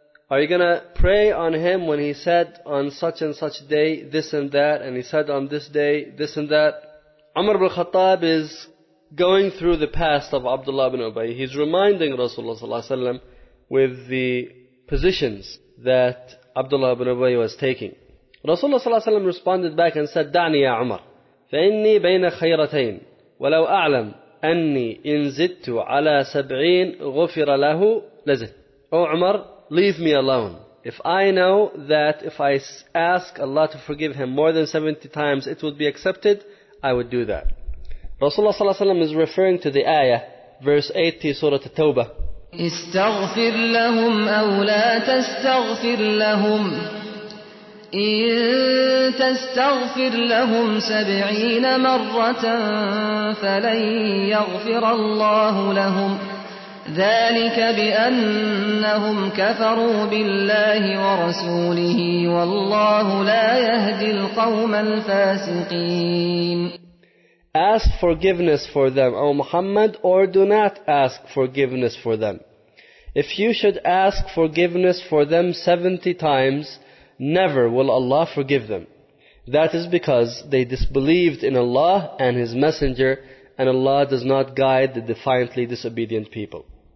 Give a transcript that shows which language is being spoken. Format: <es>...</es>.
<en>Are you going to pray on him when he said on such and such day this and that, and he said on this day this and that? Umar ibn al-Khattab is going through the past of Abdullah ibn Ubay. He's reminding Rasulullah sallallahu alayhi wa sallam with the positions that Abdullah ibn Ubay was taking. Rasulullah sallallahu alayhi wa sallam responded back and said,</en> <ar>دعني يا عمر فإني بين خيرتين ولو أعلم أني إن زدت على سبعين غفر له لزد.</ar> <en>O Umar, leave me alone. If I know that if I ask Allah to forgive him more than 70 times, it would be accepted, I would do that. Rasulullah sallallahu alayhi wa sallam is referring to the ayah, verse 80, Surah At-Tawbah.</en> <ar>استغفر لهم أو لا تستغفر لهم إن تستغفر لهم سبعين مرة فلن يغفر الله لهم ذلك بأنهم كفروا بالله ورسوله والله لا يهدي القوم الفاسقين.</ar> <en>Ask forgiveness for them, O Muhammad, or do not ask forgiveness for them. If you should ask forgiveness for them 70 times, never will Allah forgive them. That is because they disbelieved in Allah and His Messenger, and Allah does not guide the defiantly disobedient people.</en>